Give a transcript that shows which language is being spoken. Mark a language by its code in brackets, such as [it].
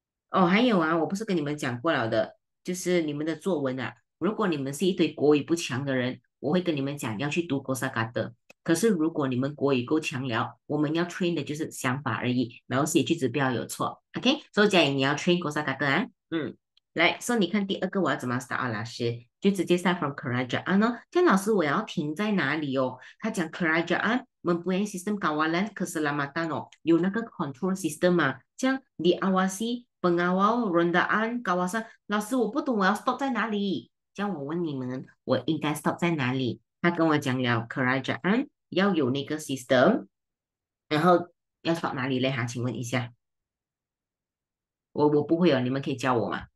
[zh] 哦，还有啊，我不是跟你们讲过了的，就是你们的作文啊，如果你们是一堆国语不强的人，我会跟你们讲要去读 Kosakata。可是，如果你们国语够强了，我们要 train 的就是想法而已，然后写句子不要有错，OK？所以，佳颖，你要 train 国萨嘎哥啊，嗯，来，所以你看第二个我要怎么 start 啊？老师就直接 [en] start from [zh] kerajaan 啊，这样老师我要停在哪里哦？他讲 [ms] kerajaan mempunyai sistem kawalan keselamatan [zh] 哦，有那个 [en] control system [zh] 嘛、啊？这样 [ms] diawasi pengawal rondaan kawasan， [zh] 老师我不懂我要 stop 在哪里？这样我问你们，我应该 stop 在哪里？他跟我讲了 kerajaan。要有那个 system，然后要到哪里嘞？哈，请问一下，我不会哦，你们可以教我吗？